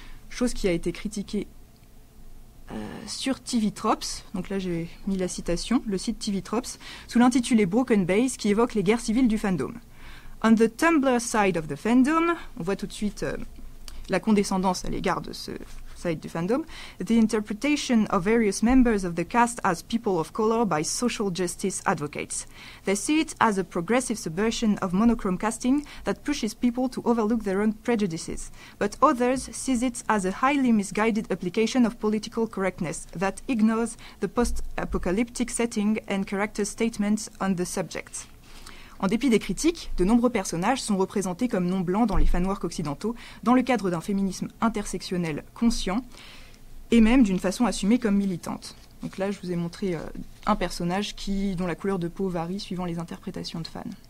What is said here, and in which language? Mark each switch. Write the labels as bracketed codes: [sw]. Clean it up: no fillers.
[fr] Chose qui a été critiquée sur TV Tropes, donc là j'ai mis la citation, le site TV Tropes, sous l'intitulé Broken Base, qui évoque les guerres civiles du fandom. [en] On the Tumblr side of the fandom, [fr] on voit tout de suite la condescendance à l'égard de ce... [en] du fandom, the interpretation of various members of the cast as people of color by social justice advocates. They see it as a progressive subversion of monochrome casting that pushes people to overlook their own prejudices. But others see it as a highly misguided application of political correctness that ignores the post-apocalyptic setting and character statements on the subject. [fr] En dépit des critiques, de nombreux personnages sont représentés comme non-blancs dans les fanworks occidentaux, dans le cadre d'un féminisme intersectionnel conscient, et même d'une façon assumée comme militante. Donc là, je vous ai montré un personnage dont la couleur de peau varie suivant les interprétations de fans.